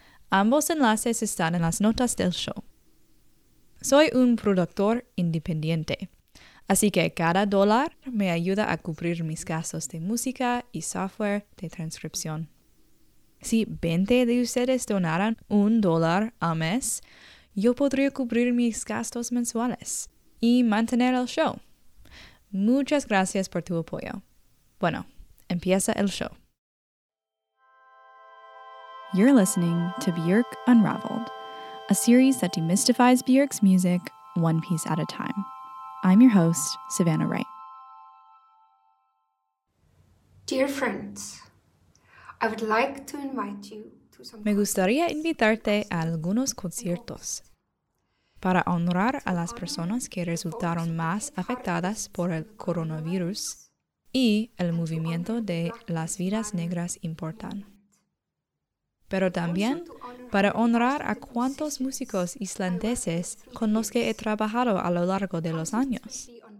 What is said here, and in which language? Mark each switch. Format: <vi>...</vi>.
<es>Ambos enlaces están en las notas del show. Soy un productor independiente, así que cada dólar me ayuda a cubrir mis gastos de música y software de transcripción. Si 20 de ustedes donaran un dólar al mes, yo podría cubrir mis gastos mensuales y mantener el show. Muchas gracias por tu apoyo. Bueno, empieza el show.</es> <en>You're listening to Björk Unraveled, a series that demystifies Björk's music one piece at a time. I'm your host, Savannah Wright. Dear friends, I would like to invite you to some...</en> <es>Me gustaría invitarte a algunos conciertos para honrar a las personas que resultaron más afectadas por el coronavirus y el movimiento de Las Vidas Negras Importan. Pero también para honrar a cuantos músicos islandeses con los que he trabajado a lo largo de los años.</es>